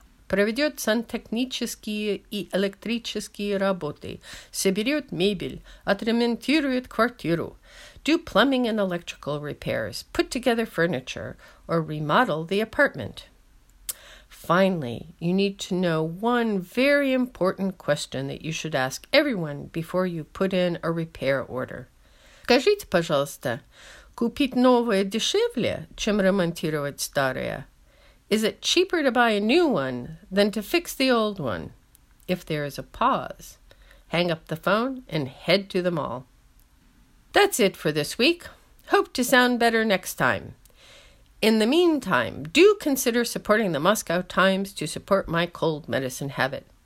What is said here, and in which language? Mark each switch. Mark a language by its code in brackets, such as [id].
[ru] Проведет сантехнические и электрические работы, соберет мебель, отремонтирует квартиру, [en] do plumbing and electrical repairs, put together furniture, or remodel the apartment. Finally, you need to know one very important question that you should ask everyone before you put in a repair order. [ru] Скажите, пожалуйста, купить новое дешевле, чем ремонтировать старое? [en] Is it cheaper to buy a new one than to fix the old one? If there is a pause, hang up the phone and head to the mall. That's it for this week. Hope to sound better next time. In the meantime, do consider supporting the Moscow Times to support my cold medicine habit.